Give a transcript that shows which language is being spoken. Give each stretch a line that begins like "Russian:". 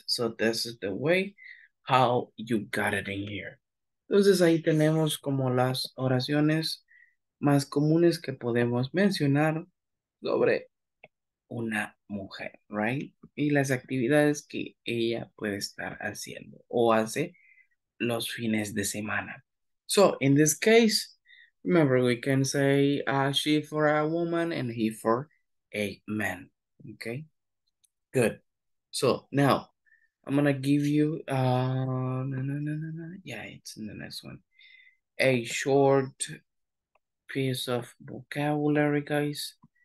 English: So this is the way how you got it in here.
Spanish: Entonces ahí tenemos como las oraciones más comunes que podemos mencionar sobre una mujer, right? Y las actividades que ella puede estar haciendo o hace los fines de semana.
English: So, in this case, remember, we can say she for a woman and he for a man, okay? Good. So, now, I'm gonna give you, it's in the next one, a short piece of vocabulary, guys.